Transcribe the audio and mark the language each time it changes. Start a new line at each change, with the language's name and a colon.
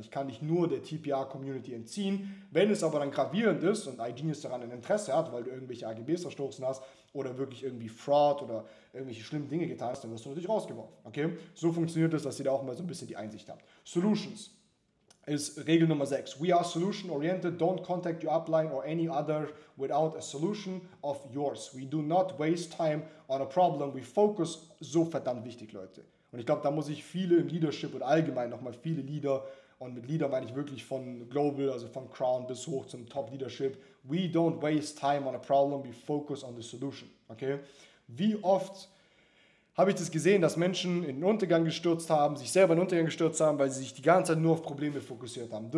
German: Ich kann dich nur der TPA-Community entziehen. Wenn es aber dann gravierend ist und iGenius daran ein Interesse hat, weil du irgendwelche AGBs verstoßen hast oder wirklich irgendwie Fraud oder irgendwelche schlimmen Dinge getan hast, dann wirst du natürlich rausgeworfen. Okay? So funktioniert das, dass ihr da auch mal so ein bisschen die Einsicht habt. Solutions. ist Regel Nummer 6.
English: We are solution oriented. Don't contact your upline or any other without a solution of yours. We do not waste time on a problem. We focus.
German: So verdammt wichtig, Leute. Und ich glaube, da muss ich viele im Leadership und allgemein nochmal viele Leader, und mit Leader meine ich wirklich von Global, also von Crown bis hoch zum Top Leadership.
English: We don't waste time on a problem. We focus on the solution. Okay?
German: Wie oft habe ich das gesehen, dass Menschen in den Untergang gestürzt haben, sich selber in den Untergang gestürzt haben, weil sie sich die ganze Zeit nur auf Probleme fokussiert haben.